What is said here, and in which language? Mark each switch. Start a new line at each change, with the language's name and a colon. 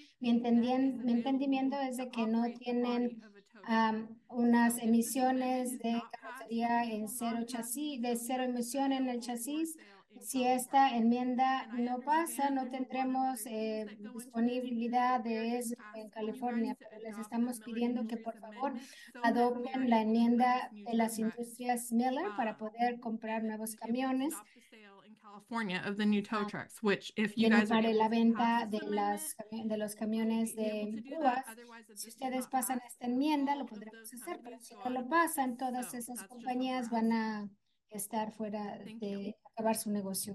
Spanish: Mi entendimiento es de que no tienen unas emisiones de carrocería en cero chasis, de cero emisión en el chasis. Si esta enmienda no pasa, no tendremos disponibilidad de eso en California, pero les estamos pidiendo que por favor adopten la enmienda de las industrias Miller para poder comprar nuevos camiones.
English: California of the new tow trucks, which if you guys are
Spanish: la venta de las de los camiones de púas, si ustedes pasan esta enmienda, lo podremos hacer, pero si no lo pasan, todas esas compañías van a estar fuera de acabar su negocio.